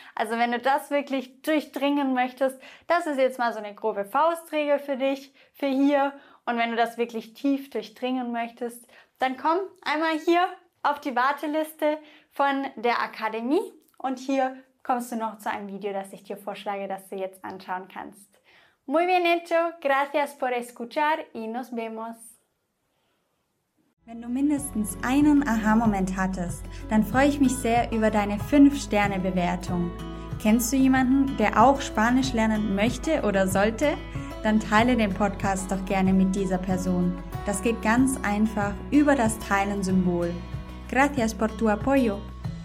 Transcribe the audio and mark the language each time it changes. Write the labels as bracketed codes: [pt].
[de] Also wenn du das wirklich durchdringen möchtest, das ist jetzt mal so eine grobe Faustregel für dich, für hier. Und wenn du das wirklich tief durchdringen möchtest, dann komm einmal hier auf die Warteliste von der Akademie. Und hier kommst du noch zu einem Video, das ich dir vorschlage, das du jetzt anschauen kannst. [es] Muy bien hecho, gracias por escuchar y nos vemos. [de] Wenn du mindestens einen Aha-Moment hattest, dann freue ich mich sehr über deine 5-Sterne-Bewertung. Kennst du jemanden, der auch Spanisch lernen möchte oder sollte? Dann teile den Podcast doch gerne mit dieser Person. Das geht ganz einfach über das Teilen-Symbol. Gracias por tu apoyo.